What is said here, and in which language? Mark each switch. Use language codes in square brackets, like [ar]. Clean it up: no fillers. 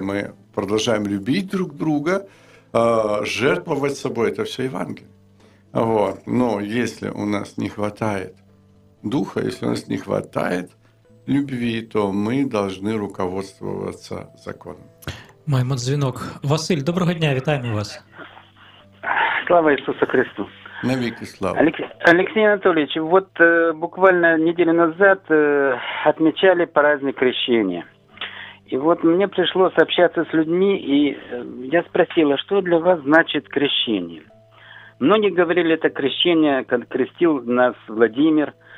[ru] Мы продолжаем любить друг друга, жертвовать собой. Это все Евангелие. Вот. Но если у нас не хватает духа, если у нас не хватает любви, то мы должны руководствоваться законом. [uk] Маємо дзвінок. Василь, доброго дня, вітаємо вас. [ru] Слава Иисусу Христу. Навеки слава. Алексей Анатольевич, вот буквально неделю назад отмечали праздник крещения. И вот мне пришлось общаться с людьми, и я спросила, что для вас значит крещение? Многие говорили, это крещение, как крестил нас Владимир.